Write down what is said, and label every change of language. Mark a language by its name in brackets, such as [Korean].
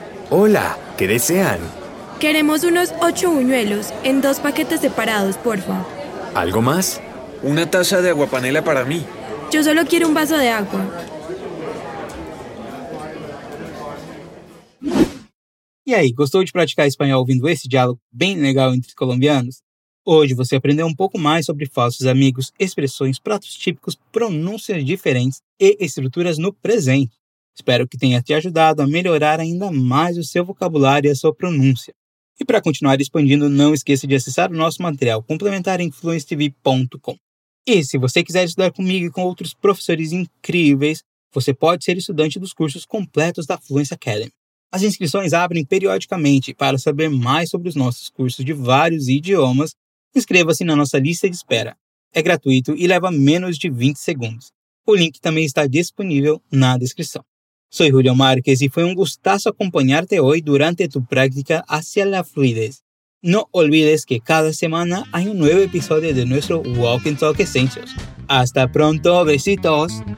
[Spanish] Hola, ¿qué desean? Queremos unos 8 buñuelos en 2 paquetes separados, porfa. ¿Algo más? Una taza de agua panela para mí. Yo solo quiero un vaso de agua. [Portuguese] E aí, gostou de praticar espanhol ouvindo esse diálogo bem legal entre colombianos? Hoje você aprendeu um pouco mais sobre falsos amigos, expressões, pratos típicos, pronúncias diferentes e estruturas no presente. Espero que tenha te ajudado a melhorar ainda mais o seu vocabulário e a sua pronúncia. E para continuar expandindo, não esqueça de acessar o nosso material complementar em fluencetv.com. E se você quiser estudar comigo e com outros professores incríveis, você pode ser estudante dos cursos completos da Fluence Academy. As inscrições abrem periodicamente. Para saber mais sobre os nossos cursos de vários idiomas, inscreva-se na nossa lista de espera. É gratuito e leva menos de 20 segundos. O link também está disponível na descrição. [Spanish] Soy Julio Márquez y fue un gustazo acompañarte hoy durante tu práctica hacia la fluidez. No olvides que cada semana hay un nuevo episodio de nuestro Walk and Talk Essentials. ¡Hasta pronto! ¡Besitos!